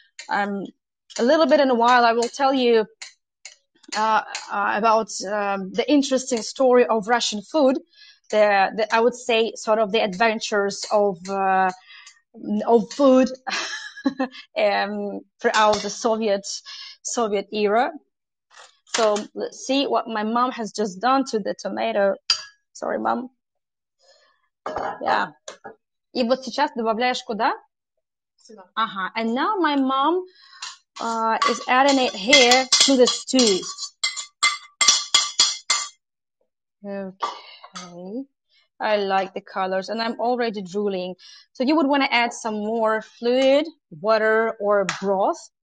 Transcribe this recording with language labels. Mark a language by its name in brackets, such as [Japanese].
[English] A little bit in a while, I will tell you about the interesting story of Russian food, the I would say sort of the adventures of food throughout the Soviet era. So let's see what my mom has just done to the tomato. Sorry, mom. Yeah. [Russian] И вот сейчас добавляешь куда? Сюда. Ага. [English] And now my mom is adding it here to the stew. Okay. I like the colors, and I'm already drooling. So you would want to add some more fluid, water, or broth.